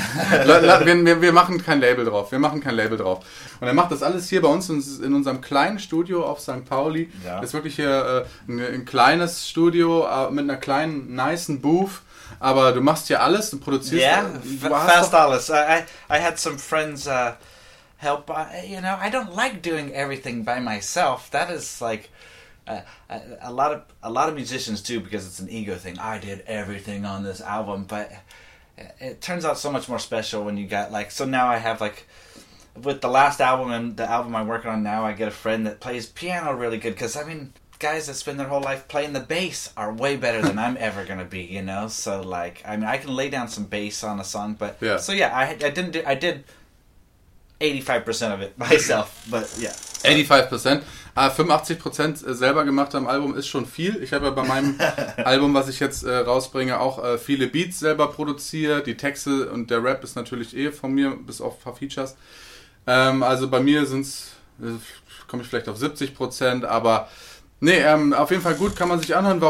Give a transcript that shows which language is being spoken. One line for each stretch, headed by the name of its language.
German: wir machen kein Label drauf. Wir machen kein Label drauf. Und er macht das alles hier bei uns in unserem kleinen Studio auf St. Pauli. Ja. Das ist wirklich hier ein kleines Studio mit einer kleinen, nicen Booth. Aber du machst hier alles, du produzierst fast alles.
English: I had some friends help. You know, I don't like doing everything by myself. That is like a lot of musicians do because it's an ego thing. I did everything on this album, but it turns out so much more special when you got like, so now I have like, with the last album and the album I'm working on now, I get a friend that plays piano really good because, I mean, guys that spend their whole life playing the bass are way better than I'm ever going to be, you know? So, like, I mean, I can lay down some bass on a song, but... Yeah. So, yeah, I did 85% of it myself, but, yeah. 85%?
German: 85% selber gemacht am Album ist schon viel. Ich habe ja bei meinem Album, was ich jetzt rausbringe, auch viele Beats selber produziert. Die Texte und der Rap ist natürlich eh von mir, bis auf ein paar Features. Also bei mir sind's, komme ich vielleicht auf 70%, aber nee, auf jeden Fall gut, kann man sich anhören.